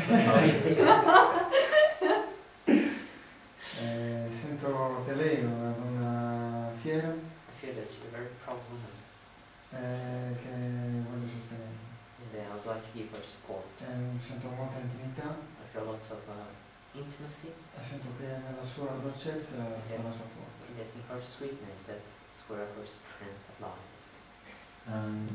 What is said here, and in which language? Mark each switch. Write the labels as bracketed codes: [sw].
[it] Novenka. sento che lei è una fiera. [en] I feel that she's a very proud woman. [it] Che voglio sostenere. [en] And I would like to give her support. [it] Sento molta intimità. [en] I feel lots of intimacy. [it] E sento che nella sua dolcezza sta la sua forza. [en] And that in her sweetness that where her strength lies.